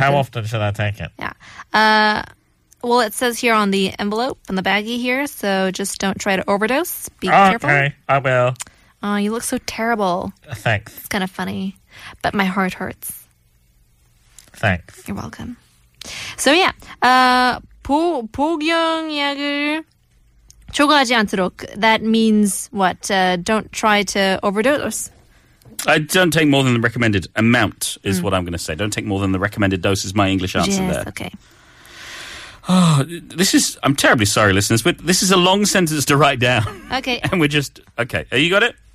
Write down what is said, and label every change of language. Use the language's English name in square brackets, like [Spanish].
[English] how often should I take it? Yeah. Well, it says here on the envelope, on the baggie here, so just don't try to overdose. Be careful. Okay, I will. Oh, you look so terrible. Thanks. It's kind of funny, but my heart hurts. Thanks. You're welcome. So, yeah. [Korean] 복용약을 초과하지 않도록. [English] That means what? Don't try to overdose. I don't take more than the recommended amount is what I'm going to say. Don't take more than the recommended dose is my English answer yes, there. Okay. Oh, this is, I'm terribly sorry, listeners, but this is a long sentence to write down. Okay. And we're just, okay, have you got it?